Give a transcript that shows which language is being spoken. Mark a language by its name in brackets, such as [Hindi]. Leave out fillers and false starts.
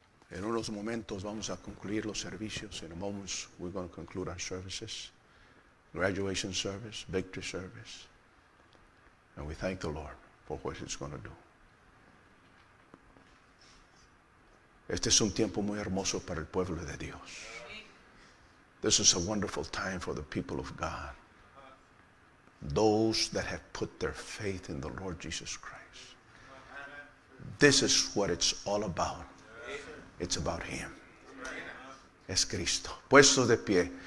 [Spanish] En unos momentos vamos a concluir los servicios. [English] In a moment we're going to conclude our services. Graduation service, victory service. And we thank the Lord for what he's going to do. [Spanish] Este es un tiempo muy hermoso para el pueblo de Dios. [English] This is a wonderful time for the people of God. Those that have put their faith in the Lord Jesus Christ. This is what it's all about. It's about him. [Spanish] Es Cristo. Puesto de pie.